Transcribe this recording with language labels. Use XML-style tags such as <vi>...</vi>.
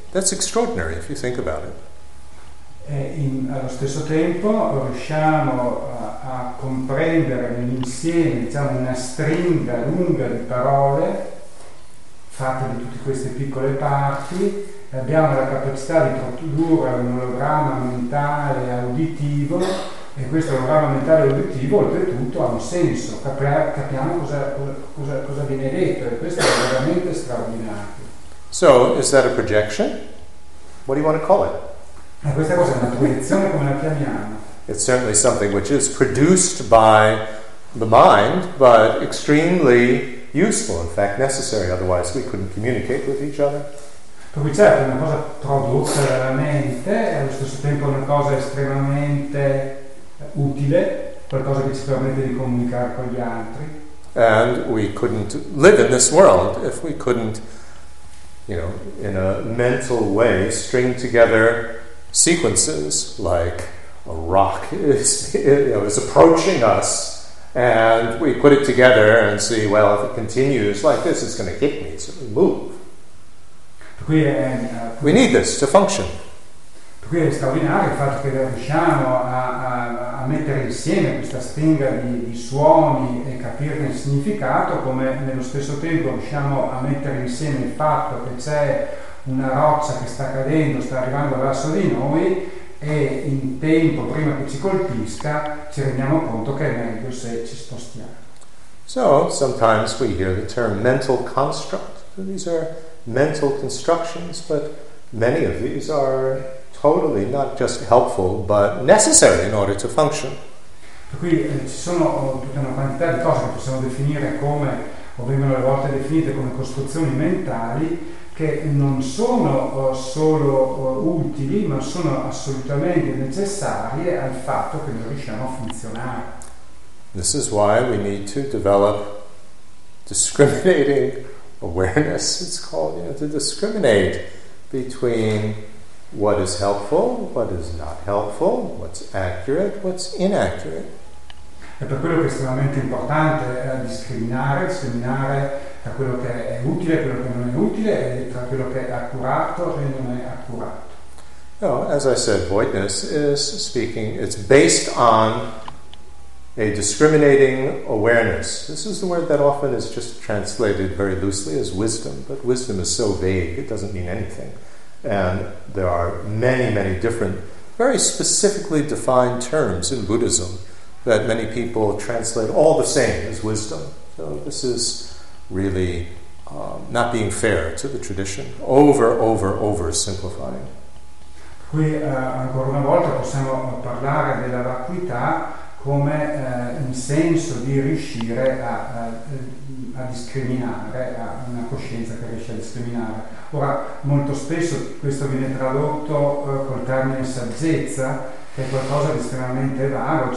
<en>That's extraordinary, if you think about it.</en> <it>Allo stesso tempo, riusciamo a comprendere nell'insieme, diciamo, una stringa lunga di parole, fatta di tutte queste piccole parti, abbiamo la capacità di produrre un ologramma mentale auditivo, e questo ologramma mentale auditivo oltretutto ha un senso, capiamo cosa viene detto, e questo è veramente straordinario.</it> <en>So, is that a projection? What do you want to call it?</en> <it>E questa cosa è una proiezione, come la chiamiamo?</it> <en>It's certainly something which is produced by the mind, but extremely useful, in fact necessary, otherwise we couldn't communicate with each other.</en> <it>Per cui certo è una cosa produttiva della mente, e allo stesso tempo è una cosa estremamente utile, qualcosa che ci permette di comunicare con gli altri.</it> <en>And we couldn't live in this world if we couldn't, you know, in a mental way string together sequences like a rock is, you know, is approaching us, and we put it together and see, well, if it continues like this, it's going to hit me, it's going to move. We need this to function.</en> <it>Qui è straordinario il fatto che riusciamo a mettere insieme questa stringa di suoni e capirne il significato, come nello stesso tempo riusciamo a mettere insieme il fatto che c'è una roccia che sta cadendo, sta arrivando verso di noi, e in tempo, prima che ci colpisca, ci rendiamo conto che è meglio se ci spostiamo.</it> <en>So, sometimes we hear the term mental construct. These are mental constructions, but many of these are totally not just helpful but necessary in order to function.</en> <it>Per cui ci sono tutta una quantità di cose che possiamo definire come, o vengono a volte definite come, costruzioni mentali, che non sono solo utili ma sono assolutamente necessarie al fatto che noi riusciamo a funzionare.</it> <en>This is why we need to develop discriminating awareness, it's called, you know, to discriminate between what is helpful, what is not helpful, what's accurate, what's inaccurate.</en> <it>È per quello che è estremamente importante discriminare tra quello che è utile e quello che non è utile, e tra quello che è accurato e non è accurato.</it> <en>No, as I said, voidness is speaking, it's based on a discriminating awareness. This is the word that often is just translated very loosely as wisdom, but wisdom is so vague, it doesn't mean anything. And there are many, many different, very specifically defined terms in Buddhism that many people translate all the same as wisdom. So this is really not being fair to the tradition, over simplifying.</en> <it>Qui ancora una volta possiamo parlare della vacuità come un senso di riuscire a discriminare, a una coscienza che riesce a discriminare. Ora, molto spesso questo viene tradotto col termine saggezza, che è qualcosa di estremamente vago.</it>